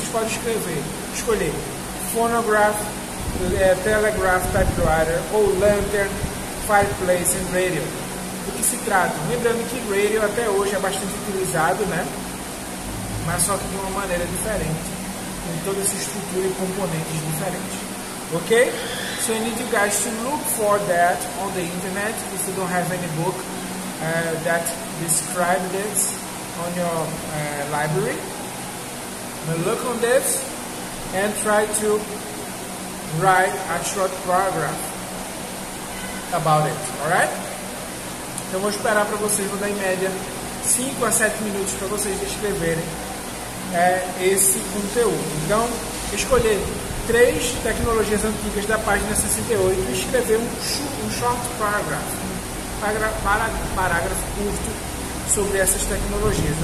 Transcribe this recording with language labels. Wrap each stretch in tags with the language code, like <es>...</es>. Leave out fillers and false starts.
<pt>Vocês podem escolher phonograph, telegraph, typewriter ou lantern, fireplace e radio. Do que se trata? Lembrando que radio até hoje é bastante utilizado, né? Mas só que de uma maneira diferente, com toda essa estrutura e componentes diferentes. Ok?</pt> <en>So I need you guys to look for that on the internet if you don't have any book that describes it on your library. But look on this and try to write a short paragraph about it. Alright?</en> <pt>Então vou esperar para vocês, vou dar em média 5 a 7 minutos para vocês escreverem esse conteúdo. Então, escolher 3 tecnologias antigas da página 68 e escrever um</pt> <en>short paragraph,</en> <pt>um parágrafo curto sobre essas tecnologias.</pt>